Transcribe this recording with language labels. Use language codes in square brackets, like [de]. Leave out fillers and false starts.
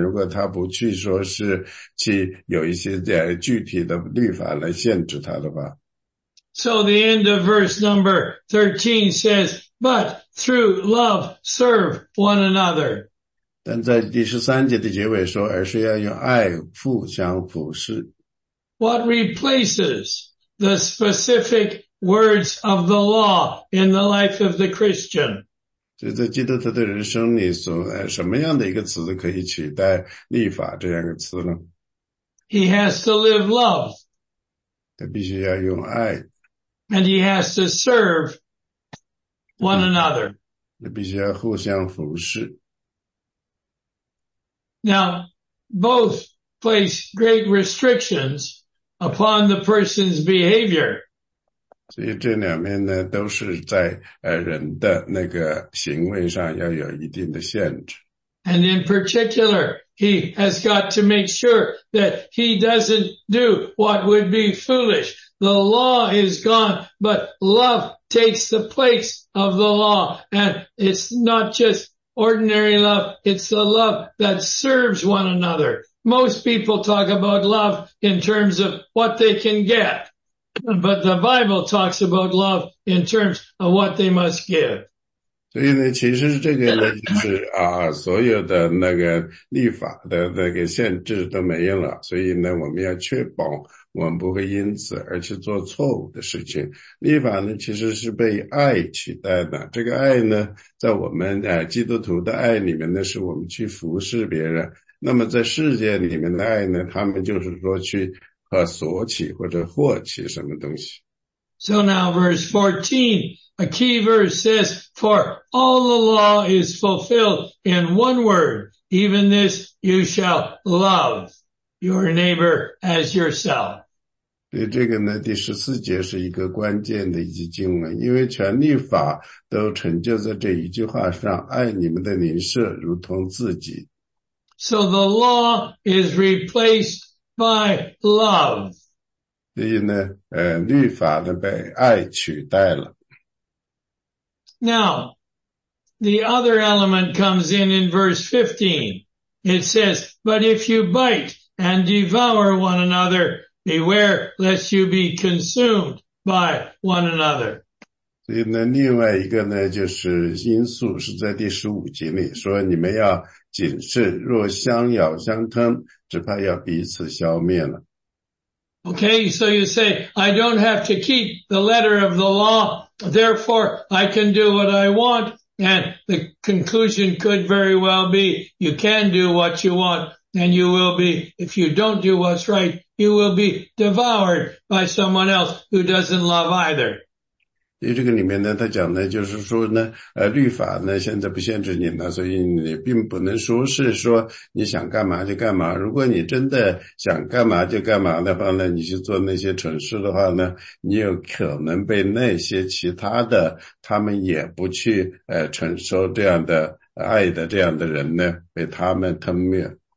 [zh] 如果他不去说是去有一些具体的律法来限制他的话。 [en] So the end of verse number 13 says, "But through love, serve one another." [zh] 但在第十三节的结尾说，而是要用爱互相服侍。 [en] What replaces the specific words of the law in the life of the Christian? [zh] 就在基督徒的人生里什么样的一个词可以取代立法这样一个词呢？ [en] He has to live love. [zh] 他必须要用爱。 [en] And he has to serve one another. [zh] 他必须要互相服侍。 [en] Now, both place great restrictions upon the person's behavior. [zh] 所以这两面呢，都是在人的那个行为上要有一定的限制。 [en] And in particular, he has got to make sure that he doesn't do what would be foolish. The law is gone, but love takes the place of the law, and it's not just ordinary love, it's the love that serves one another. Most people talk about love in terms of what they can get, but the Bible talks about love in terms of what they must give. [zh] 所以呢，其实这个呢，就是所有的那个立法的那个限制都没有了，所以呢，我们要确保我们不会因此而去做错误的事情。立法呢，其实是被爱取代的。这个爱呢，在我们基督徒的爱里面呢，是我们去服侍别人。那么在世界里面的爱呢，他们就是说去索取或者获取什么东西。 [en] So now verse 14, a key verse says, For all the law is fulfilled in one word, even this you shall love. Your neighbor as yourself. [zh] 对这个呢，第十四节是一个关键的一句经文，因为全律法都成就在这一句话上，爱你们的邻舍如同自己。 [en] So the law is replaced by love. [zh] 所以呢，律法呢被爱取代了。 [en] Now, the other element comes in verse 15. It says, but if you bite,And devour one another, beware lest you be consumed by one another. [zh] 所以呢，另外一个呢，就是因素是在第十五节里说，你们要谨慎，若相咬相吞，只怕要彼此消灭了。 [en] Okay, so you say, I don't have to keep the letter of the law, therefore I can do what I want, and the conclusion could very well be, you can do what you want. And you will be, if you don't do what's right, you will be devoured by someone else who doesn't love either. [zh] 所以这个里面呢，他讲呢，就是说呢，律法呢现在不限制你了，所以你并不能说是说你想干嘛就干嘛。如果你真的想干嘛就干嘛的话呢，你去做那些蠢事的话呢，你有可能被那些其他的，他们也不去承受这样的爱的这样的人呢，被他们吞灭。